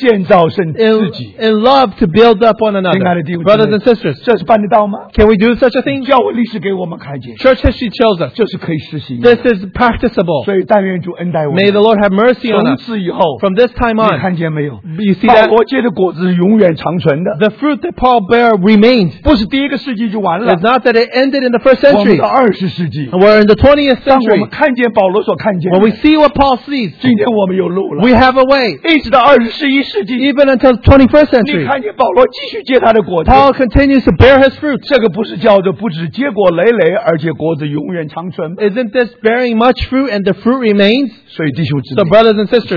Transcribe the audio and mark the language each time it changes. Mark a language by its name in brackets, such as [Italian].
[English] In love to build up one another. Brothers and sisters. Can we do such a thing? Church history shows us. This is practicable. May the Lord have mercy on us. From this time on. You see that? [Chinese] 保罗结的果子是永远长存的。 [English] The fruit that Paul bear remained. [Chinese] 不是第一个世纪就完了。 [English] It's not that it ended in the first century. [Chinese] 我们的二十世纪。 [English] We're in the 20th century. [Chinese] 当我们看见保罗所看见的。 [English] When we see what Paul sees. [Chinese] 今天我们有路了。 [English] We have a way. [Chinese] 一直到二十一世纪。 [English] Even until the 21st century. [Chinese] 你看见保罗继续结他的果子。 [English] Paul continues to bear his fruit. [Chinese] 这个不是叫做不止结果累累，而且果子永远长存。 [English] Isn't this bearing much fruit and the fruit remains? [Chinese] 所以弟兄姊妹。 [English] So brothers and sisters.